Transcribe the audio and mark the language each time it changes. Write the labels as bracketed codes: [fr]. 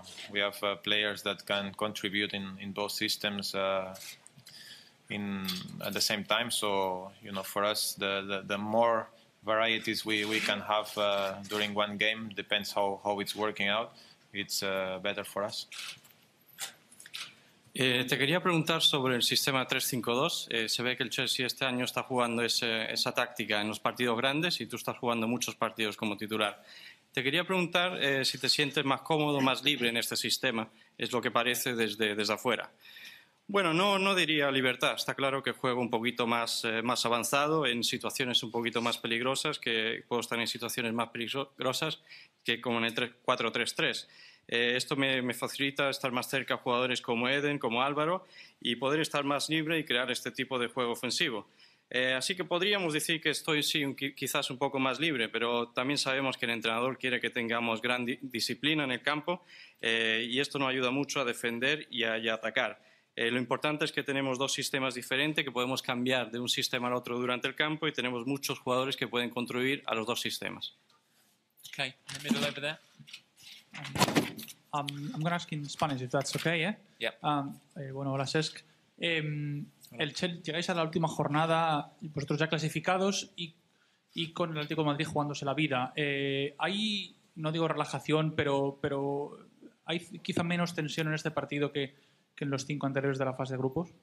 [en] We have players that can contribute in both systems in at the same time. So, you know, for us, the more varieties we can have during one game, depends how it's working out, it's better for us. [es] Te quería preguntar sobre el sistema 3-5-2. Se ve que el Chelsea este año está jugando esa táctica en los partidos grandes y tú estás jugando muchos partidos como titular. Te quería preguntar si te sientes más cómodo, más libre en este sistema. Es lo que parece desde afuera. Bueno, no diría libertad. Está claro que juego un poquito más avanzado en situaciones un poquito más peligrosas, que puedo estar en situaciones más peligrosas que como en el 4-3-3. Esto me facilita estar más cerca a jugadores como Eden, como Álvaro, y poder estar más libre y crear este tipo de juego ofensivo. Así que podríamos decir que estoy sí, quizás un poco más libre, pero también sabemos que el entrenador quiere que tengamos gran disciplina en el campo, y esto nos ayuda mucho a defender y a atacar. Lo importante es que tenemos dos sistemas diferentes, que podemos cambiar de un sistema al otro durante el campo, y tenemos muchos jugadores que pueden contribuir a los dos sistemas. [en] Okay, in the middle over there. I'm going to ask in Spanish if that's okay, yeah? Yeah. [es] Bueno, hola, Cesc. El Chelsea, llegáis a la última jornada, vosotros ya clasificados y con el Atlético de Madrid jugándose la vida. Hay, no digo relajación, pero hay quizá menos tensión en este partido que en los 5 anteriores de la fase de grupos.